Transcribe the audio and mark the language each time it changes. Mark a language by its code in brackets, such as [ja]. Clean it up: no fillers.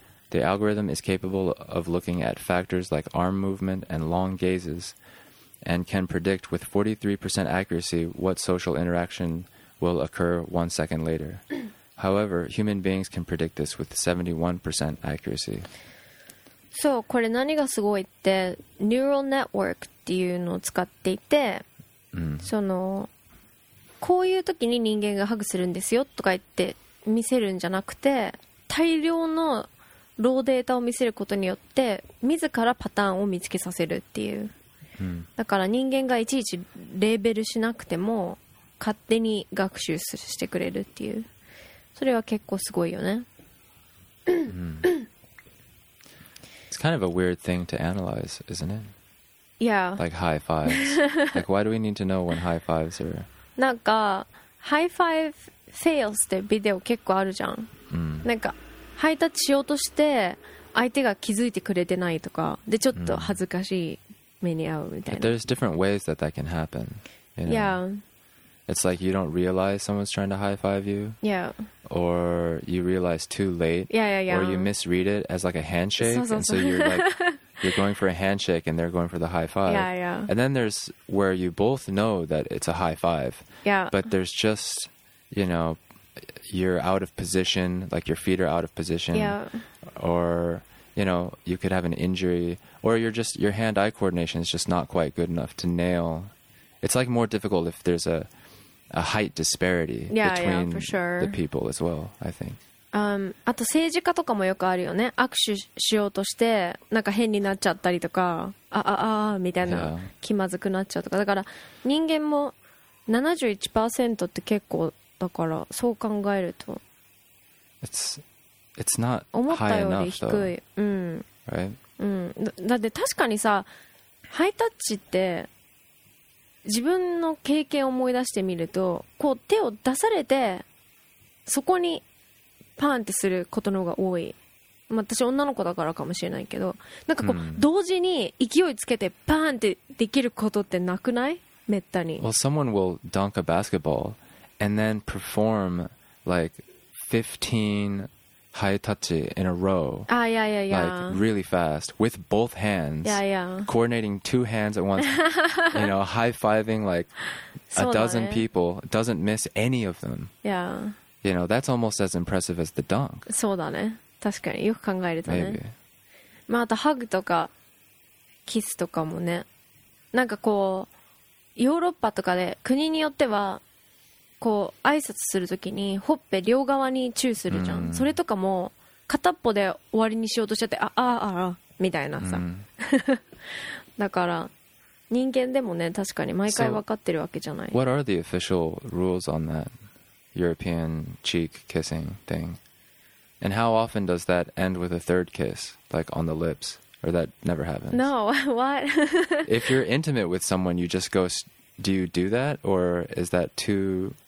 [en] The algorithm is capable of looking at factors like arm movement and long gazes,and can predict with 43% accuracy what social interaction will occur 1 second later. However, human beings can predict this with 71% accuracy. [ja] そう、これ何がすごいって、neural network っていうのを使っていて、その、こういう時に人間がハグするんですよとか言って見せるんじゃなくて、大量のローデータを見せることによって、自らパターンを見つけさせるっていう。だから人間がいちいちレーベルしなくても勝手に学習してくれるっていう、それは結構すごいよね。 [en] It's kind of a weird thing to analyze, isn't it? Yeah. Like high fives. Like why do we need to know when high fives are? [ja] なんかハイファイブフェイルスってビデオ結構あるじゃん。なんかハイタッチしようとして相手が気づいてくれてないとかで、ちょっと恥ずかしい。目に合うみたいな。 [en] But there's different ways that that can happen. You know? Yeah. It's like you don't realize someone's trying to high-five you. Yeah. Or you realize too late. Yeah, yeah, yeah. Or you misread it as like a handshake. So, so, so. And so you're like, you're going for a handshake and they're going for the high-five. Yeah, yeah. And then there's where you both know that it's a high-five. Yeah. But there's just, you know, you're out of position, like your feet are out of position. Yeah. Or... You know, you could have an injury, or you're just, your hand-eye coordination is just not quite good enough to nail. It's like more difficult if there's a height disparity yeah, between yeah, for sure. the people as well, I think. [ja] あと政治家とかもよくあるよね。握手しようとして、なんか変になっちゃったりとか、みたいな、気まずくなっちゃうとか。だから人間も 71% って結構だから、そう考えると。 [en] It's not high enough, though. [ja] 思ったより低い。 [en] Right? [ja] だって確かにさ、ハイタッチって自分の経験を思い出してみると、こう手を出されてそこにパーンってすることの方が多い。まあ、私女の子だからかもしれないけど、なんかこう、同時に勢いつけてパーンってできることってなくない？めったに。 [en] Well, someone will dunk a basketball and then perform like 15... High touchy in a row. Ah, yeah, yeah, yeah. Like really fast with both hands. Yeah, yeah. Coordinating two hands at once. you know, high fiving like a dozen people doesn't miss any of them. Yeah. You know, that's almost as impressive as the dunk. [ja] そうだね。確かによく考えるとね。 [en] Maybe. [ja] まあ、あとハグとかキスとかもね。なんかこう、ヨーロッパとかで国によっては、こう挨拶するときにほっぺ両側にチューするじゃん、それとかも片っぽで終わりにしようとしちゃって あみたいなさ、だから人間でもね、確かに毎回分かってるわけじゃない。 [en] So, What are the official rules on that European cheek kissing thing? And how often does that end with a third kiss? Like on the lips? Or that never happens? No, what? If you're intimate with someone, you just go... Do you do that, or is that too